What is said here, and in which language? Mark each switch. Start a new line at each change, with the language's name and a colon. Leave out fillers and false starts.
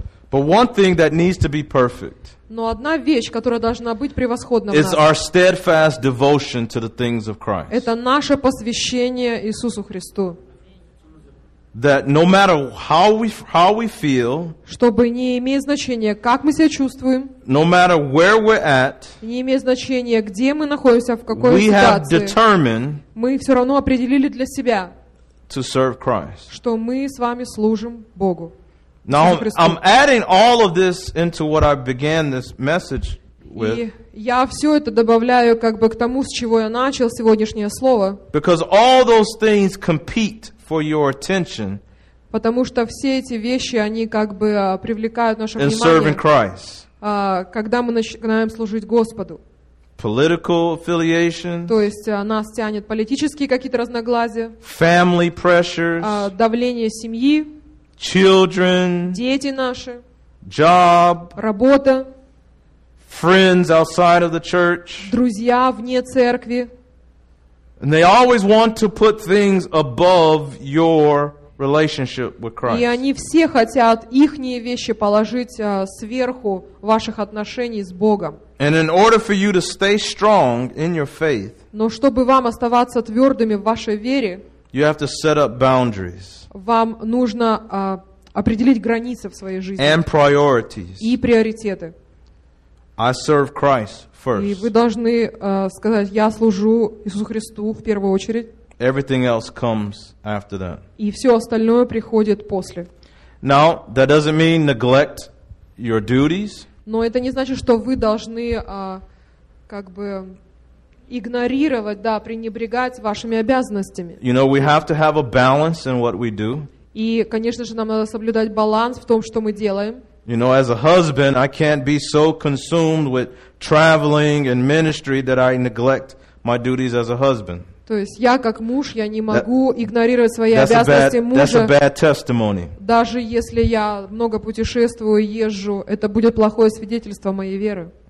English: But one thing that needs to be perfect.
Russian: Но одна вещь, которая должна быть превосходна в нас.
English: Our steadfast devotion to the things of Christ.
Russian: Это наше посвящение Иисусу Христу.
English: That no matter how we feel,
Russian: чтобы не имеет значения, как мы себя чувствуем,
English: no matter where we're at,
Russian: не имеет значения, где мы находимся, в какой ситуации,
English: we have determined,
Russian: мы все равно определили для себя,
English: to serve Christ,
Russian: что мы с вами служим Богу.
English: Now I'm adding all of this into what I began this message with.
Russian: И я все это добавляю как бы к тому, с чего я начал сегодняшнее слово.
English: Because all those things compete for your attention.
Russian: Потому что все эти вещи они как бы привлекают наше внимание.
English: In serving Christ.
Russian: Когда мы начинаем служить Господу.
English: Political affiliation.
Russian: То есть нас тянет политические какие-то разногласия.
English: Family pressures.
Russian: Давление семьи.
English: Children,
Russian: дети наши,
English: job,
Russian: работа,
English: friends outside of the church,
Russian: друзья вне церкви,
English: and they always want to put things above your relationship with Christ.
Russian: И они все хотят ихние вещи положить сверху ваших отношений с Богом.
English: And in order for you to stay strong in your faith,
Russian: но чтобы вам оставаться твердыми в вашей вере,
English: you have to set up boundaries.
Russian: Вам нужно определить границы в своей жизни.
English: And priorities.
Russian: И приоритеты.
English: I serve Christ first.
Russian: И вы должны сказать, я служу Иисусу Христу в первую очередь.
English: Everything else comes after that.
Russian: И все остальное приходит после.
English: Now, that doesn't mean neglect your duties.
Russian: Но это не значит, что вы должны как бы игнорировать, да, пренебрегать вашими обязанностями.
English: You know, we have to have a balance in what we do.
Russian: И, конечно же, нам надо соблюдать баланс в том, что мы делаем.
English: You know, as a husband, I can't be so consumed with traveling and ministry that I neglect my duties as a husband.
Russian: То есть я как муж, я не могу игнорировать свои обязанности мужа.
English: That's a bad testimony.
Russian: Даже если я много путешествую, езжу, это будет плохое свидетельство моей веры.